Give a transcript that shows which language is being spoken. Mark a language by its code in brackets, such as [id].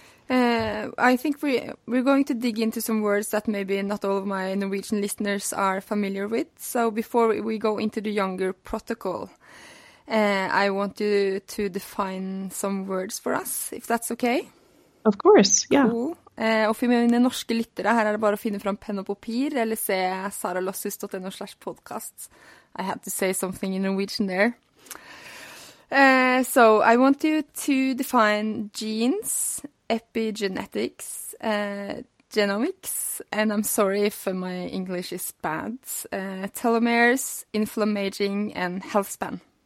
[en] Mm-hmm. I think we're going to dig into some words that maybe not all of my Norwegian listeners are familiar with. So before we go into the Younger protocol, I want you to define some words for us, if that's okay. Of course, yeah. Cool. [no] Og for mine norske lyttere, her det bare å finne fram penn og papir, eller se saralossus.no/podcast. [en] I had to say something in Norwegian there. So I want you to define genes, epigenetics, genomics, and I'm sorry if my English is bad, telomeres, inflammation, and health span.